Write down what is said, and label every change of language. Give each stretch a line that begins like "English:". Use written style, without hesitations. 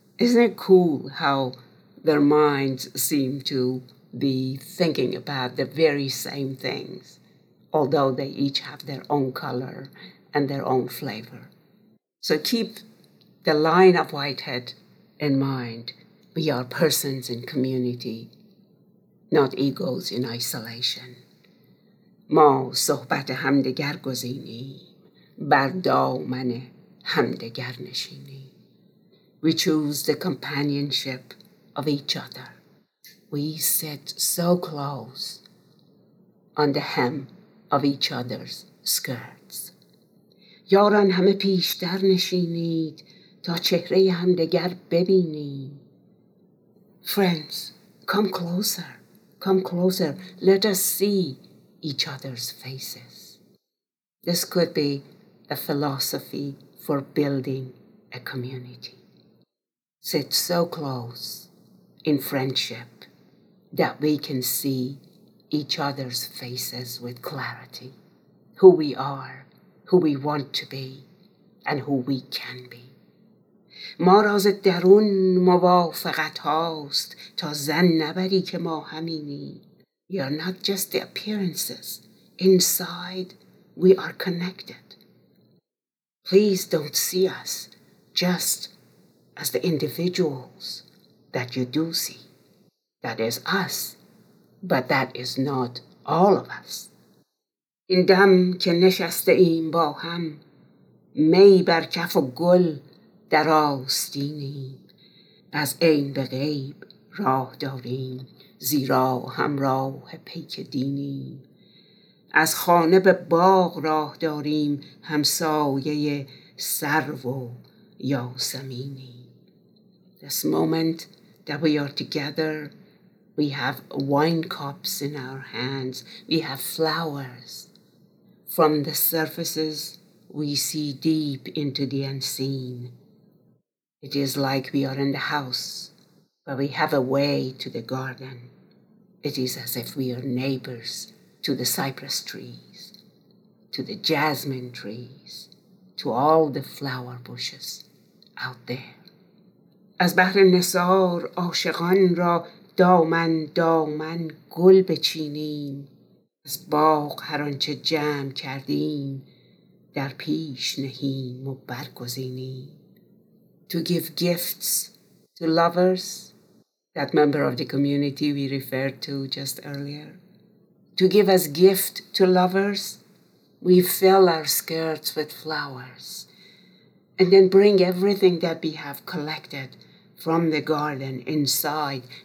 English: Isn't it cool how their minds seem to be thinking about the very same things, although they each have their own color and their own flavor. So keep the line of Whitehead in mind. We are persons in community, not egos in isolation.
Persian: ما صحبت همدگر گزینیم، بر دامن همدگر نشینیم.
English: We choose the companionship of each other. We sit so close on the hem of each other's skirt.
Persian: یاران همه پیشتر نشینید تا چهره همدگر ببینیم.
English: Friends, come closer, come closer. Let us see each other's faces. This could be a philosophy for building a community. Sit so close in friendship that we can see each other's faces with clarity. Who we are, who we want to be, and who we can be.
Persian: ما راز درون موافقت هاست تا زن نبری که ما همینی.
English: We are not just the appearances. Inside, we are connected. Please don't see us just as the individuals that you do see. That is us, but that is not all of us.
Persian: این دم که نشسته ایم با هم، می بر کف و گل در آستینیم، از عین به غیب راه داریم، زیرا همراه پیک دینیم، از خانه به باغ راه داریم، همسایه سرو و یاسمینیم.
English: This moment that we are together, we have wine cups in our hands, we have flowers. From the surfaces, we see deep into the unseen. It is like we are in the house, but we have a way to the garden. It is as if we are neighbors to the cypress trees, to the jasmine trees, to all the flower bushes out there.
Persian: از بحر نثار عاشقان را دامن دامن گل بچینیم، از باغ هر آنچه جمع کردیم در پیش نهیم و برگزینیم.
English: To give gifts to lovers, that member of the community we referred to just earlier. To give as gift to lovers, we fill our skirts with flowers and then bring everything that we have collected from the garden inside.